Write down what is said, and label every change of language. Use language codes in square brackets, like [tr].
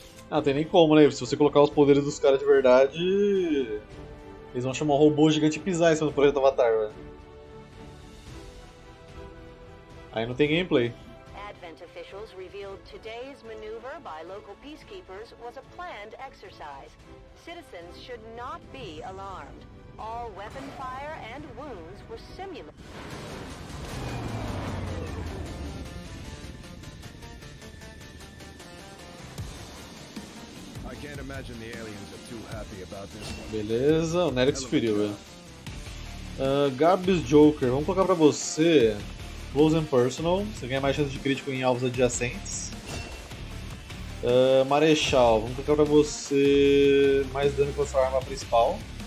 [pt] Ah, tem nem como, né? Se você colocar os poderes dos caras de verdade, eles vão chamar um robô gigante e pisar em cima do projeto Avatar, velho. Aí não tem gameplay. [en] Advent officials revealed today's maneuver by local peacekeepers was a planned exercise. Citizens should not be alarmed. All weapon fire and wounds were simulated. I can't imagine the aliens are too happy about this one. [pt] Beleza, o Nerix feriu, velho. Gabs Joker, vamos colocar pra você. Close and personal, você ganha mais chance de crítico em alvos adjacentes. Marechal, vamos colocar pra você mais dano com a sua arma principal.